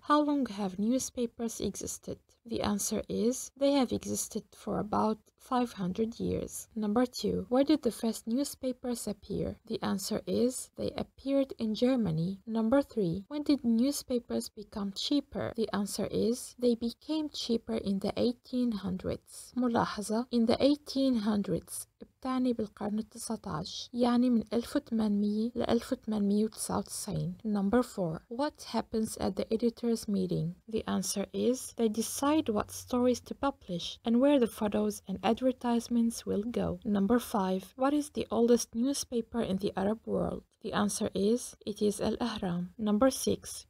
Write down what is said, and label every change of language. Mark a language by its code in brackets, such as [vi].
[en] How long have newspapers existed? The answer is they have existed for about 500 years. Number 2. Where did the first newspapers appear? The answer is they appeared in Germany. Number 3. When did newspapers become cheaper? The answer is they became cheaper in the 1800s. [ar] ملاحظة: [en] in the 1800s [ar] بتعني بالقرن التسعتاش، يعني من 1800 لـ 1899. [en] Number 4. What happens at the editors' meeting? The answer is they decide what stories to publish and where the photos and advertisements will go. Number 5. What is the oldest newspaper in the Arab world? The answer is it is Al-Ahram. Number 6.